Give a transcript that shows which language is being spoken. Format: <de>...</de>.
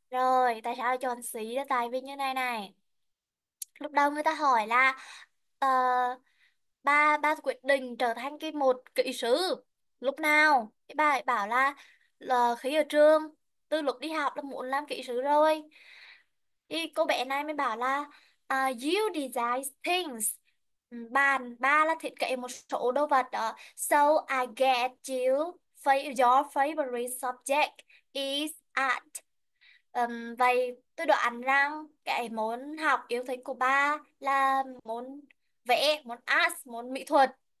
<vi>Rồi, tại sao chọn C là tại vì như này này. Lúc đầu người ta hỏi là ba quyết định trở thành cái một kỹ sư. Lúc nào? Cái bà ấy bảo là khi ở trường, từ lúc đi học là muốn làm kỹ sư rồi. Thì cô bé này mới bảo là</vi> <en>you design things.</en> <vi>Bàn ba là thiết kế một số đồ vật đó.</vi> <en>So I get you your favorite subject is art.</en> <vi>Vậy tôi đoán rằng cái môn học yêu thích của ba là môn vẽ, môn art, môn mỹ thuật.</vi>